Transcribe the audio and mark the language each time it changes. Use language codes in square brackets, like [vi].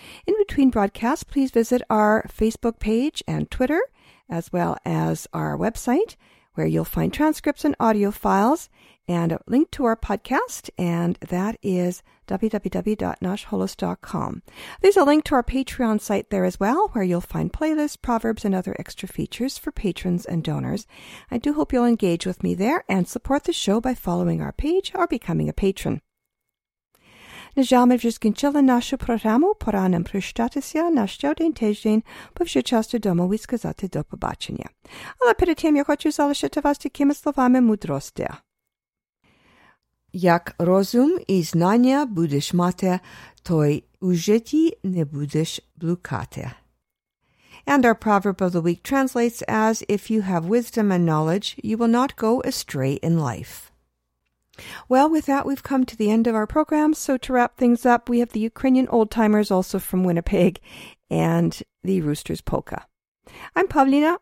[en] In between broadcasts, please visit our Facebook page and Twitter, as well as our website, where you'll find transcripts and audio files and a link to our podcast, and that is www.noshholos.com. There's a link to our Patreon site there as well, where you'll find playlists, proverbs, and other extra features for patrons and donors. I do hope you'll engage with me there and support the show by following our page or becoming a patron. [uk] Нажам вже скінчили нашу програму. Пора нам прощатися на щодень тиждень, бо вже час додому і сказати до побачення. Але перед тим я хочу залишити вас такими словами мудрості. Як розум і знання будеш мати, то й у житті не будеш блукати. [en] And our proverb of the week translates as, if you have wisdom and knowledge, you will not go astray in life. Well, with that, we've come to the end of our program. So to wrap things up, we have the Ukrainian Old Timers, also from Winnipeg, and the Roosters Polka. I'm Pavlina.